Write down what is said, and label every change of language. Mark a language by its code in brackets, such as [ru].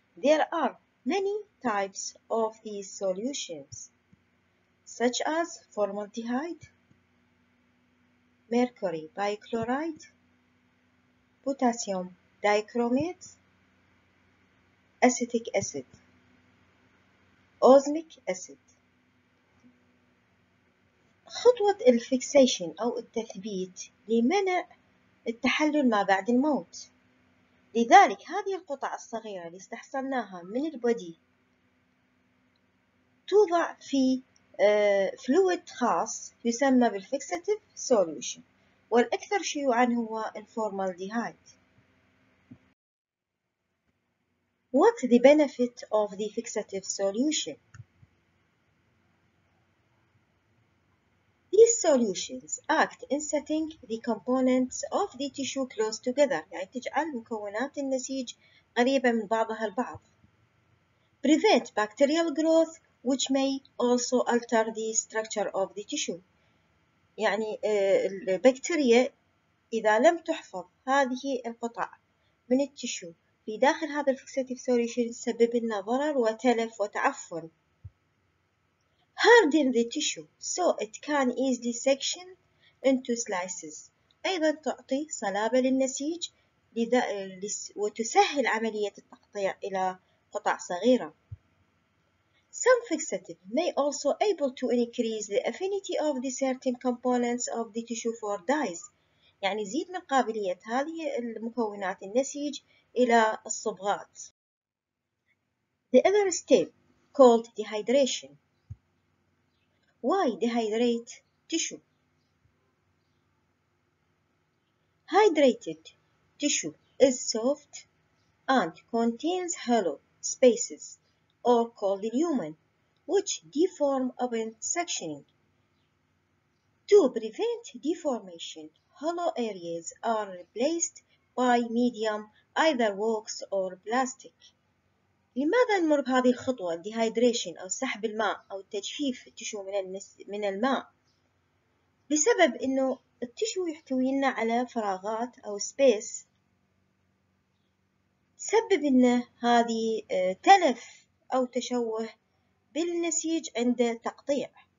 [en] There are many types of these solutions, such as formaldehyde, mercury bichloride, potassium dichromate, acetic acid, osmic acid. [ar] خطوة الفيكسيشن أو التثبيت لمنع التحلل ما بعد الموت. لذلك هذه القطع الصغيرة اللي استحصلناها من البودي توضع في فلويد خاص يسمى بالفيكساتيف سوليوشن، والأكثر شيوعا هو الفورمالديهايد. [en] What's the benefit of the fixative solution? Solutions act in setting the components of the tissue close together. [ar] يعني تجعل مكونات النسيج قريبة من بعضها البعض. [en] Prevent bacterial growth, which may also alter the structure of the tissue. [ar] يعني البكتيريا إذا لم تحفظ هذه القطع من التشو في داخل هذا الفيكساتيف سوليوشن تسبب لنا ضرر وتلف وتعفن. [en] Harden the tissue so it can easily section into slices. [ar] أيضا تعطي صلابة للنسيج وتسهل عملية التقطيع إلى قطع صغيرة. [en] Some fixative may also able to increase the affinity of the certain components of the tissue for dyes. [ar] يعني يزيد من قابلية هذه المكونات النسيج إلى الصبغات. [en] The other step called dehydration. Why dehydrate tissue? Hydrated tissue is soft and contains hollow spaces or called lumen, which deform upon sectioning. To prevent deformation, hollow areas are replaced by medium, either wax or plastic. [ar] لماذا نمر بهذه الخطوة dehydration أو سحب الماء أو تجفيف التشو من الماء؟ بسبب أنه التشو يحتوي لنا على فراغات أو space تسبب لنا هذه تلف أو تشوه بالنسيج عند تقطيع.